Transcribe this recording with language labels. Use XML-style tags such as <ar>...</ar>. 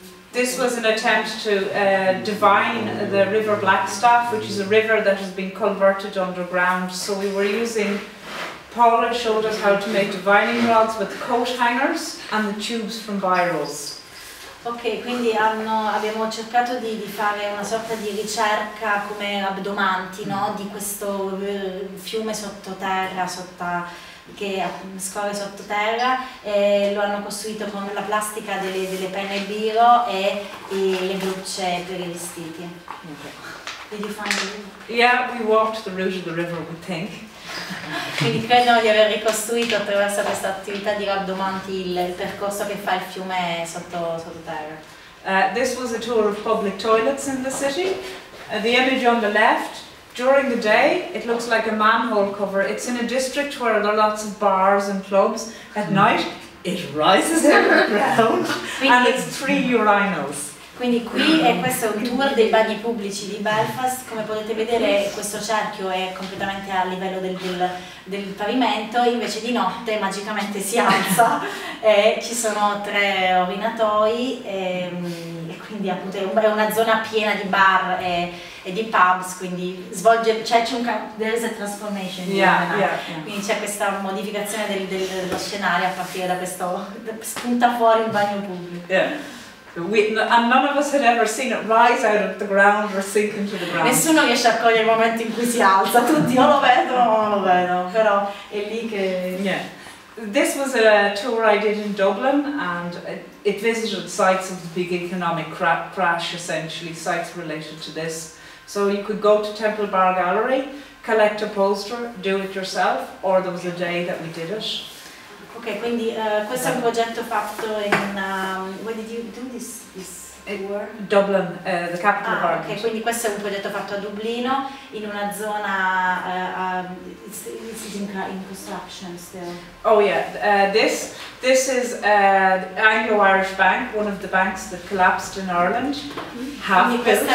<en>This was an attempt to divine the River Blackstaff, which is a river that has been converted underground. So we were using, Paula showed us how to make divining rods with coat hangers and the tubes from Byros.</en> <it>Ok, quindi abbiamo cercato di fare una sorta di ricerca come abdomanti, no? Di questo fiume sottoterra, che scorre sottoterra, e lo hanno costruito con la plastica delle penne biro e le brucce per i vestiti.</it> <en>Okay. Did you find it? Yeah, we walked the route of the river, we think.</en> <it>Quindi credono di aver ricostruito attraverso questa attività di rabdomanti il percorso che fa il fiume sottoterra.</it> <en>This was a tour of public toilets in the city. The image on the left, during the day, it looks like a manhole cover. It's in a district where there are lots of bars and clubs. At night, it rises out of the ground, and it's three urinals.</en> <it>Quindi qui è questo un tour dei bagni pubblici di Belfast. Come potete vedere, questo cerchio è completamente a livello del pavimento, invece di notte magicamente si alza e ci sono tre urinatoi, e quindi appunto è una zona piena di bar e di pubs, quindi svolge,</it> <en>there is a transformation,</en> <it>quindi c'è questa modificazione dello scenario a partire da questo, spunta fuori un bagno pubblico.</it> <en>And none of us had ever seen it rise out of the ground or sink into the ground.</en> <it>Nessuno riesce a cogliere il momento in cui si alza, tutti o lo vedono o non lo vedono, però è lì che...</it> <en>Yeah. This was a tour I did in Dublin, and it visited sites of the big economic crash, essentially, sites related to this. So you could go to Temple Bar Gallery, collect a poster, do it yourself, or there was a day that we did it.</en> <it>Ok, quindi questo è un progetto fatto in...</it> <en>Where did you do this tour? Dublin, the capital of Ireland.</en> <it>Ok, quindi questo è un progetto fatto a Dublino, in una zona...</it> <en>it's in construction still. Oh yeah, this is Anglo-Irish Bank, one of the banks that collapsed in Ireland, half-built.</en>